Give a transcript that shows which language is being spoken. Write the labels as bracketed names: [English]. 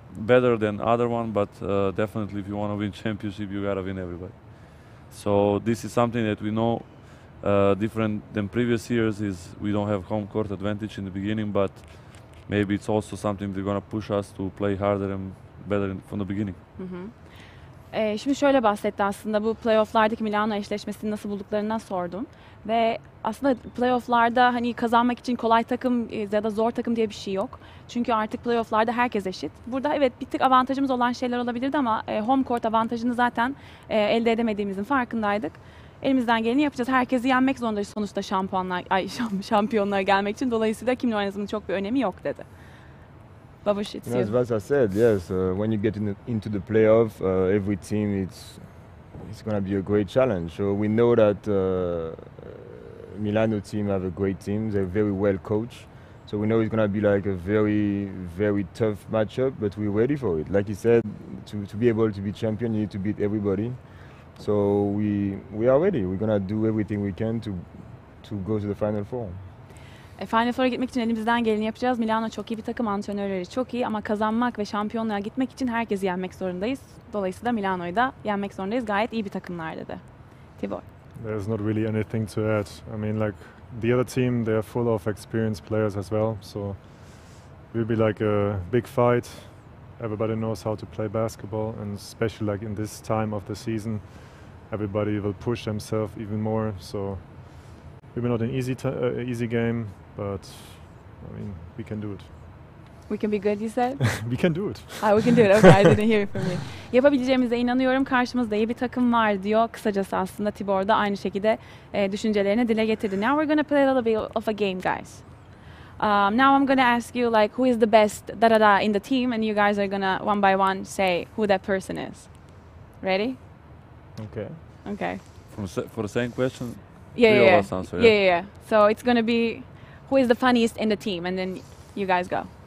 [English] Better than other one, but definitely if you want to win championship, you gotta win everybody. So this is something that we know different than previous years, is we don't have home court advantage in the beginning, but maybe it's also something they're gonna push us to play harder and better from the beginning. [Turkish] Şimdi şöyle bahsetti aslında, bu playofflardaki Milano eşleşmesini nasıl bulduklarından sordum. Ve aslında playofflarda hani kazanmak için kolay takım ya da zor takım diye bir şey yok. Çünkü artık playofflarda herkes eşit. Burada evet bir tık avantajımız olan şeyler olabilirdi ama home court avantajını zaten elde edemediğimizin farkındaydık. Elimizden geleni yapacağız. Herkesi yenmek zorundayız sonuçta şampiyonlar gelmek için. Dolayısıyla kimle oynadığımızın çok bir önemi yok dedi. [English] You know, as Vasa said, yes, when you get into the playoff, every team, it's going to be a great challenge. So we know that Milano team have a great team. They're very well coached. So we know it's going to be like a very, very tough matchup, but we're ready for it. Like you said, to be able to be champion, you need to beat everybody. So we are ready. We're going to do everything we can to go to the Final Four. [Turkish] Final Four'a gitmek için elimizden geleni yapacağız. Milano çok iyi bir takım, antrenörleri çok iyi ama kazanmak ve şampiyonluğa gitmek için herkesi yenmek zorundayız. Dolayısıyla Milano'yu da yenmek zorundayız. Gayet iyi bir takımlar dedi. Tibor. [English] There's not really anything to add. I mean, like the other team, they are full of experienced players as well. So will be like a big fight. Everybody knows how to play basketball, and especially like in this time of the season, everybody will push themselves even more. So maybe not an easy game, but I mean, we can do it. We can be good, you said? We can do it. We can do it. Okay, I didn't hear it from you. [Turkish] Yapabileceğimize inanıyorum. Karşımızda iyi bir takım var diyor. Kısacası aslında Tibor da aynı şekilde düşüncelerini dile getirdi. [English] Now we're going to play a little bit of a game, guys. Now I'm going to ask you, like, who is the best da-da-da in the team, and you guys are going to, one by one, say who that person is. Ready? Okay. Okay. For the same question? Yeah. So it's going to be who is the funniest in the team, and then you guys go.